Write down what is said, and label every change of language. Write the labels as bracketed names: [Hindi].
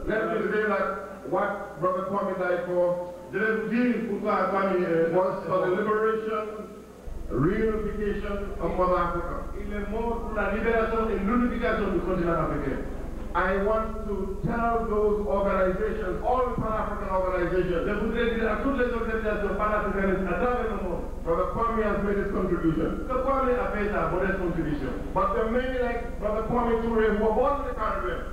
[English] let me say that what Brother Kwame died for was for the liberation, reunification of Mother Africa. [French] Il est mort pour la libération et l'unification du continent africain. [English] I want to tell those organizations, all Pan-African organizations, [French] je voudrais dire à toutes les organisations pan-africanistes à travers le monde, [English] Brother Kwame has made his contribution. [French] Que Kwame a fait sa modeste contribution. [English] But there are many like Brother Kwame Ture who are born in the Caribbean.